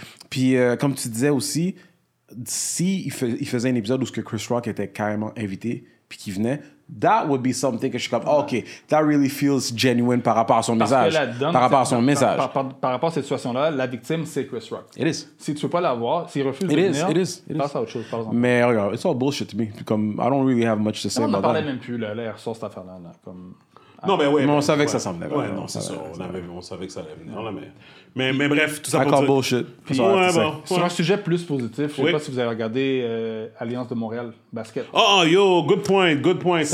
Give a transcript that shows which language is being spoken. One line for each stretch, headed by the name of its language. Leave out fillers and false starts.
French: Puis, comme tu disais aussi, il faisait un épisode où ce que Chris Rock était carrément invité, puis qu'il venait,
English: that would be something
French: que je suis comme,
English: OK, that really feels genuine
French: par rapport à son message. Par rapport à cette situation-là, la victime, c'est Chris Rock.
English: It is.
French: Si tu veux pas l'avoir, s'il refuse de venir, passe à autre chose, par exemple. Mais regarde,
English: it's all bullshit to me.
French: Comme,
English: I don't really have much to say about that.
French: On n'en parlait même plus, là, il ressort cette affaire-là. Comme, Non, mais ouais. Mais on savait que ça s'en venait. Ouais, non, c'est ça. On savait que ça allait venir. Mais bref, tout ça pour dire... bullshit. Puis, ouais, bon, ouais. Sur un sujet plus positif, je sais pas si vous avez regardé Alliance de Montréal, basket.
English: Oh, yo, good point, good point.